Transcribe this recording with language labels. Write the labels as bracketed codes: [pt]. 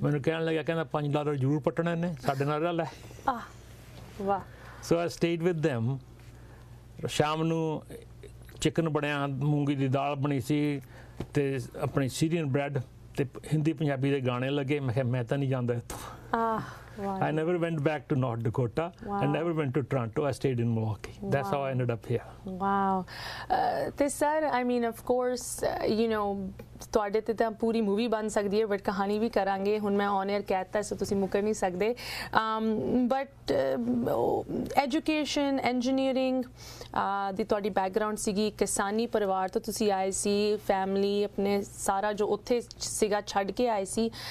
[pa] ਮੈਨੂੰ ਕਹਿਣ ਲੱਗਿਆ, ਕਹਿੰਦਾ $5 ਜ਼ਰੂਰ ਪੱਟਣਾ ਇਹਨੇ ਸਾਡੇ ਨਾਲ ਲੈ. ਵਾਹ. [en] So I stayed with them. [pa] ਸ਼ਾਮ ਨੂੰ ਚਿਕਨ ਬਣਿਆ, ਮੂੰਗੀ ਦੀ ਦਾਲ ਬਣੀ ਸੀ ਅਤੇ ਆਪਣੀ ਸੀਰੀਅਨ ਬ੍ਰੈਡ ਅਤੇ ਹਿੰਦੀ ਪੰਜਾਬੀ ਦੇ ਗਾਣੇ ਲੱਗੇ. ਮੈਂ ਕਿਹਾ ਮੈਂ ਤਾਂ ਨਹੀਂ ਜਾਂਦਾ ਇੱਥੋਂ. [en] Wow. I never went back to North Dakota. Wow. I never went to Toronto. I stayed in Milwaukee. Wow. That's how I ended up here. Wow. This sir, I mean, of course, you know, [pa] ਤੁਹਾਡੇ 'ਤੇ ਤਾਂ ਪੂਰੀ movie ਬਣ ਸਕਦੀ ਹੈ, but ਕਹਾਣੀ ਵੀ ਕਰਾਂਗੇ. ਹੁਣ ਮੈਂ ਔਨ ਏਅਰ ਕਹਿਤਾ, ਸੋ ਤੁਸੀਂ ਮੁੱਕਰ ਨਹੀਂ ਸਕਦੇ. ਬਟ ਐਜੂਕੇਸ਼ਨ, ਇੰਜੀਨੀਅਰਿੰਗ ਦੀ ਤੁਹਾਡੀ ਬੈਕਗਰਾਊਂਡ ਸੀਗੀ, ਕਿਸਾਨੀ ਪਰਿਵਾਰ ਤੋਂ ਤੁਸੀਂ ਆਏ ਸੀ, ਫੈਮਿਲੀ ਆਪਣੇ ਸਾਰਾ ਜੋ ਉੱਥੇ ਸੀਗਾ ਛੱਡ ਕੇ ਆਏ ਸੀ.